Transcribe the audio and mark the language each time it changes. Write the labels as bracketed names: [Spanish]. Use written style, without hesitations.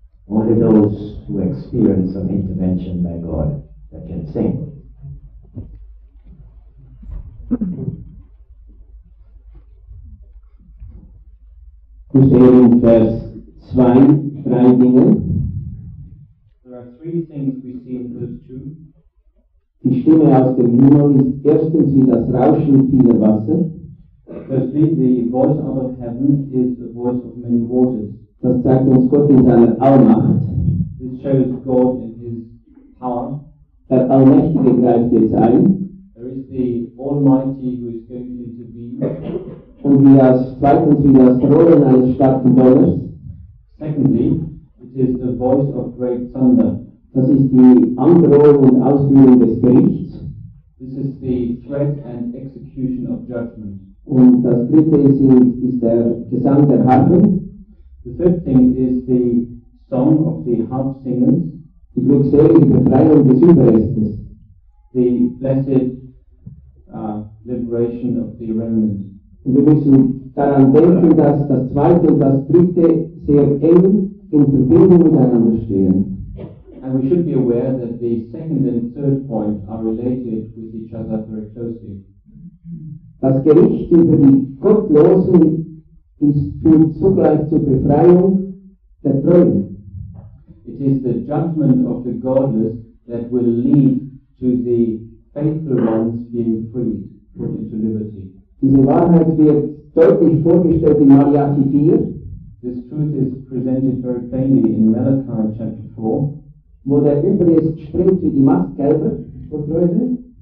[English] Only those who experience some intervention by God that can sing. Crusading verse 2, [German] drei Dinge. [English] There are three things we see in verse 2. [German] Die Stimme aus dem Himmel ist erstens wie das Rauschen vieler Wasser. [English] Firstly, the voice out of heaven is the voice of many waters. [German] Das zeigt uns Gott in seiner Allmacht. [English] This shows God in his power. [German] Der Allmächtige greift jetzt ein. [English] There is the Almighty who is going to intervene. [German] Und wie das zweitens wie das Rollen eines starken Donners. [English] Secondly, is the voice of great thunder. [German] Das ist die Androhung und Ausführung des Gerichts. [English] This is the threat and execution of judgment. [German] Und das dritte ist der Gesang der Harfen. [English] The third thing is the song of the harp singers. [German] Die glückselige Befreiung des Überrestes. [English] The blessed liberation of the remnant. [German] Und wir müssen daran denken, dass das zweite und das dritte sehr eng in Verbindung miteinander stehen. [English] And we should be aware that the second and third point are related with each other very closely. [German] Das Gericht über die Gottlosen ist zugleich zur Befreiung der Treuen. [English] It is the judgment of the godless that will lead to the faithful ones being freed, put into liberty. [German] Diese Wahrheit wird deutlich vorgestellt in Malachi 4. [English] This truth is presented very plainly in Malachi chapter 4. [German] Wo der Überrest springt wie die Mastkälber vor Freude.